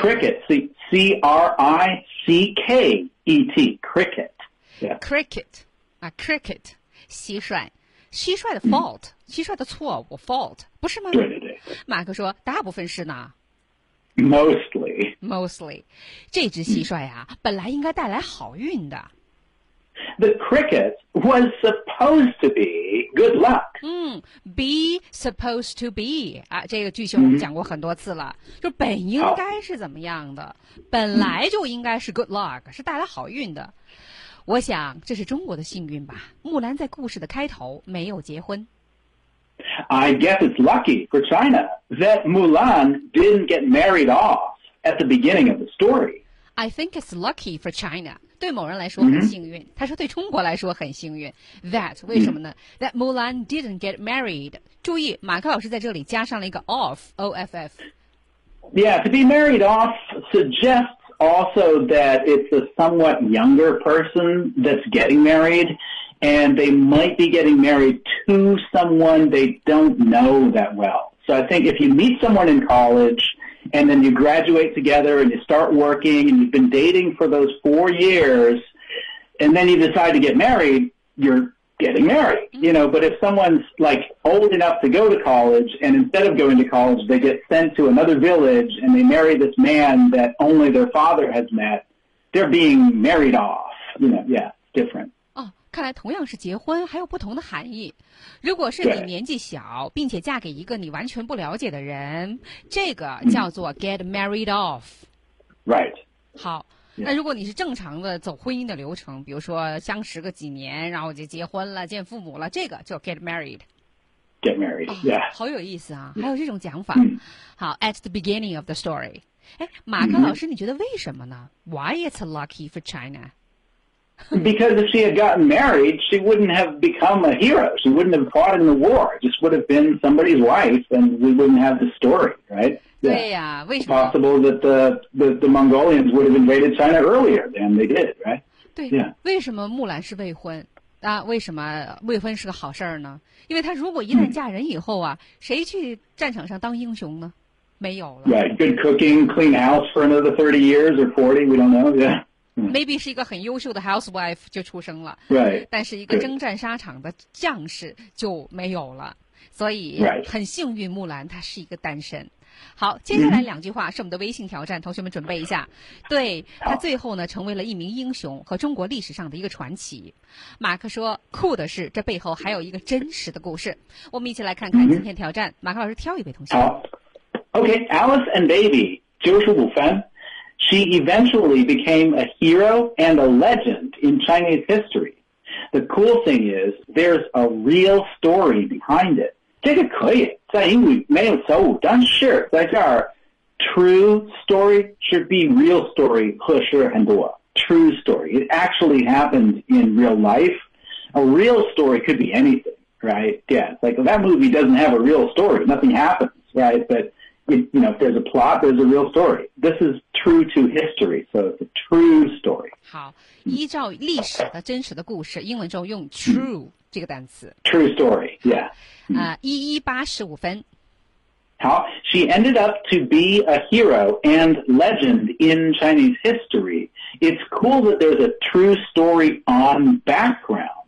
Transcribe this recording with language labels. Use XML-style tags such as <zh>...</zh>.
<en>Cricket, C-R-I-C-K-E-T, cricket.、Yeah.</en> <zh>Cricket, 啊 ，cricket, 蟋蟀。蟋蟀的 fault、蟋蟀的错误 fault 不是吗？对对对，马克说大部分是呢</zh> <en>mostly</en> <zh>这只蟋蟀啊、本来应该带来好运的。</zh> <en>The cricket was supposed to be good luck、</en> <zh>be supposed to be 啊，这个句型我们讲过很多次了、就本应该是怎么样的，本来就应该是 good luck、是带来好运的。我想这是中国的幸运吧。木兰在故事的开头没有结婚。</zh> <en>I guess it's lucky for China that Mulan didn't get married off at the beginning of the story. I think it's lucky for China.</en> <zh>对某人来说很幸运。他说对中国来说很幸运。 That, 为什么呢、</zh> <en>That Mulan didn't get married.</en> <zh>注意马克老师在这里加上了一个 off, O-F-F.</zh> <en>Yeah, to be married off suggests,also that it's a somewhat younger person that's getting married, and they might be getting married to someone they don't know that well. So I think if you meet someone in college, and then you graduate together, and you start working, and you've been dating for those 4 years, and then you decide to get married, you're getting married. You know, but if someone's like old enough to go to college, and instead of going to college, they get sent to another village and they marry this man that only their father has met, they're being married off. You know, yeah, different.</en> <zh>哦，看来同样是结婚，还有不同的含义。如果是你年纪小，并且嫁给一个你完全不了解的人，这个叫做</zh> <en>get married off. Right.</en> <zh>好。那如果你是正常的走婚姻的流程，比如说相识个几年，然后就结婚了，见父母了，这个就 get married。</zh> <en>get married， yeah、</en> <zh>哦。好有意思啊，还有这种讲法。</zh> <en>好 ，at the beginning of the story。</en> <zh>哎，马克老师，你觉得为什么呢</zh> <en>？Why it's lucky for China？ Because if she had gotten married, she wouldn't have become a hero. She wouldn't have fought in the war. Just would have been somebody's wife, and we wouldn't have the story, right? Yeah.</en> <zh>对呀、啊，为什么</zh> <en>？Possible that the Mongolians would have invaded China earlier than they did, right?</en> <zh>对、</zh> <en>yeah.</en> <zh>为什么木兰是未婚啊？为什么未婚是个好事儿呢？因为她如果一旦嫁人以后啊，谁去战场上当英雄呢？没有了。</zh> <en>Right, good cooking, clean house for another 30 years or 40, we don't know. Yeah,</en> <zh>maybe 是一个很优秀的 housewife 就出生了。</zh> <en>Right,</en> <zh>但是一个征战沙场的将士就没有了。所以、</zh> <en>right.</en> <zh>很幸运，木兰她是一个单身。好，接下来两句话是我们的微信挑战、同学们准备一下。对，他最后呢成为了一名英雄和中国历史上的一个传奇。马克说酷的是这背后还有一个真实的故事。我们一起来看看今天挑战、马克老师挑一位同学。</zh> <en>好 OK, Alice and Baby, 95分 She eventually became a hero and a legend in Chinese history. The cool thing is, there's a real story behind it. 这个可以在英语没有错误，但是在这儿 true story should be real story</en> <zh>合适很多</zh> <en>true story it actually happened in real life a real story could be anything right yeah like that movie doesn't have a real story nothing happens right but it, you know if there's a plot there's a real story this is true to history so it's a true story</en> <zh>好依照历史的真实的故事英文中用 true、这个单词</zh> <en>true story yeah 1185分好 she ended up to be a hero and legend in Chinese history it's cool that there's a true story on background</en>